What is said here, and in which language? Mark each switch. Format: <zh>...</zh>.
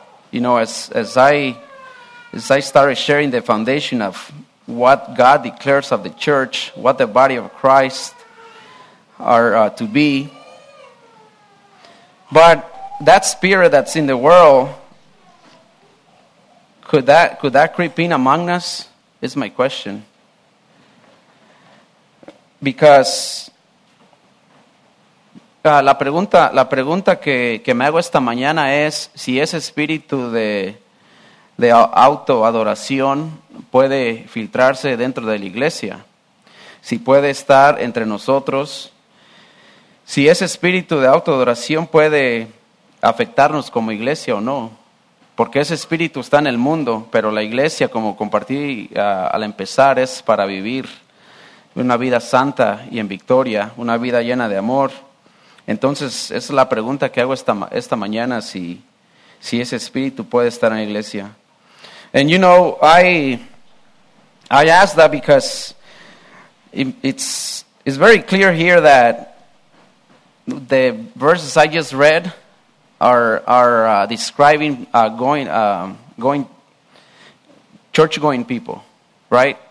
<en>You know, as I started sharing the foundation of what God declares of the church, what the body of Christ are to be. But that spirit that's in the world, could that creep in among us? Is my question. Because</en> <es>la pregunta que me hago esta mañana es si ese espíritu de autoadoración puede filtrarse dentro de la iglesia, si puede estar entre nosotros, si ese espíritu de autoadoración puede afectarnos como iglesia o no, porque ese espíritu está en el mundo, pero la iglesia, como compartí al empezar, es para vivir una vida santa y en victoria, una vida llena de amor. Entonces, esa es la pregunta que hago esta mañana, si ese espíritu puede estar en la iglesia.</es> <en>And you know, I ask that because it's very clear here that the verses I just read are describing going church going people, right?</en>